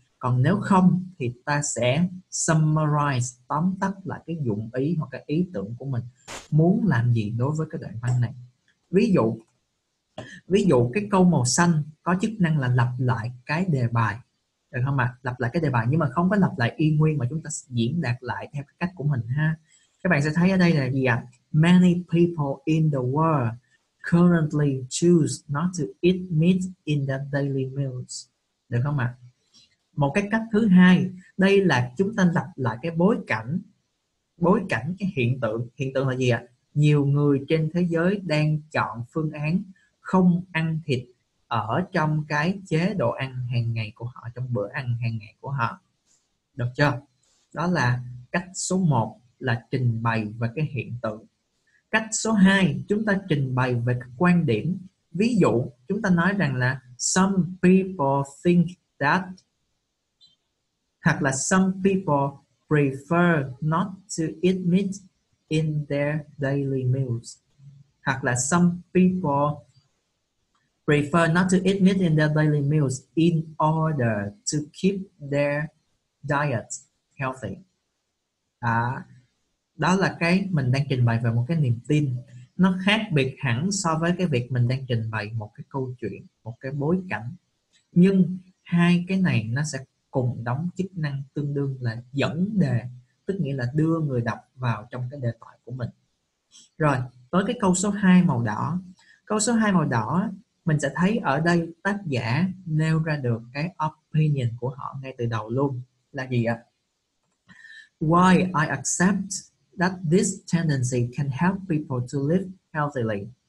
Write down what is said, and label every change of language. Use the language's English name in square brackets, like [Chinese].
[Vietnamese] Còn nếu không thì ta sẽ summarize, tóm tắt lại cái dụng ý hoặc cái ý tưởng của mình muốn làm gì đối với cái đoạn văn này. Ví dụ cái câu màu xanh có chức năng là lặp lại cái đề bài, được không ạ? Lặp lại cái đề bài nhưng mà không có lặp lại y nguyên mà chúng ta diễn đạt lại theo cái cách của mình ha. Các bạn sẽ thấy ở đây là gì ạ? [English] Many people in the world currently choose not to eat meat in their daily meals. [Vietnamese] Được không ạ? Một cái cách thứ hai, đây là chúng ta lặp lại cái bối cảnh cái hiện tượng. Hiện tượng là gì ạ? Nhiều người trên thế giới đang chọn phương án không ăn thịt ở trong cái chế độ ăn hàng ngày của họ, trong bữa ăn hàng ngày của họ. Được chưa? Đó là cách số 1 là trình bày về cái hiện tượng. Cách số 2, chúng ta trình bày về cái quan điểm. Ví dụ, chúng ta nói rằng là [English] some people think that, [Vietnamese] hoặc là [English] some people prefer not to eat meat in their daily meals, hoặc là some people prefer not to eat meat in their daily meals in order to keep their diet healthy. [Vietnamese] Đó là cái mình đang trình bày về một cái niềm tin. Nó khác biệt hẳn so với cái việc mình đang trình bày một cái câu chuyện, một cái bối cảnh. Nhưng hai cái này nó sẽ cùng đóng chức năng tương đương là dẫn đề, tức nghĩa là đưa người đọc vào trong cái đề tài của mình. Rồi, tới cái câu số 2 màu đỏ. Câu số 2 màu đỏ, mình sẽ thấy ở đây tác giả nêu ra được cái opinion của họ ngay từ đầu luôn. Là gì ạ? [English] Why I accept that this tendency can help people to live healthily.